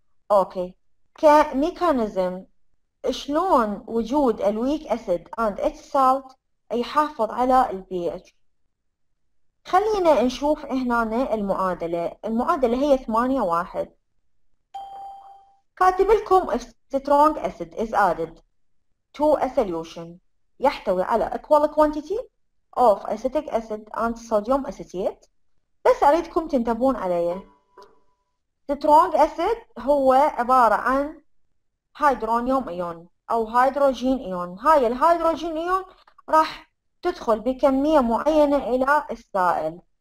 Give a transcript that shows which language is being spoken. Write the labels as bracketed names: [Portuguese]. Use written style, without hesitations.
[Arabic] اوكي، كميكانيزم شلون وجود ال [English] weak acid and its salt [Arabic] يحافظ على الـ pH؟ خلينا نشوف هنا المعادلة. المعادلة هي 8:1، كاتب لكم [English] if strong acid is added to a solution [Arabic] يحتوي على [English] equal quantity of acetic acid and sodium acetate. [Arabic] بس أريدكم تنتبهون عليه، strong acid هو عبارة عن هيدرونيوم ايون أو هيدروجين ايون، هاي الهيدروجين ايون راح تدخل بكمية معينة إلى السائل.